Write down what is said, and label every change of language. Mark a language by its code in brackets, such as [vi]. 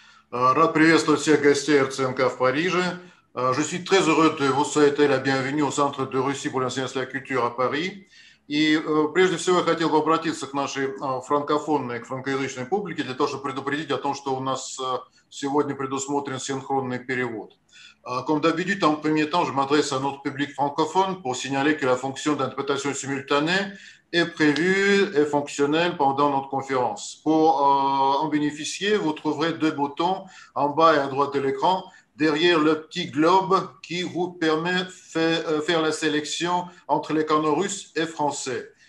[ru] Рад приветствовать всех гостей РЦМК в Париже. [fr] Je suis très heureux de vous souhaiter la bienvenue au Centre de Russie pour l'enseignement et la culture à Paris. [ru] И прежде всего я хотел бы обратиться к нашей франкофонной, к франкоязычной публике для того, чтобы предупредить о том, что у нас сегодня предусмотрен синхронный перевод. [fr] Comme d'habitude, en premier temps, je m'adresse à notre public francophone pour signaler que la fonction d'interprétation simultanée est prévue et fonctionnelle pendant notre conférence. Pour en bénéficier, vous trouverez deux boutons en bas et à droite de l'écran, derrière le petit globe qui vous permet de faire la sélection entre les canaux russes et français.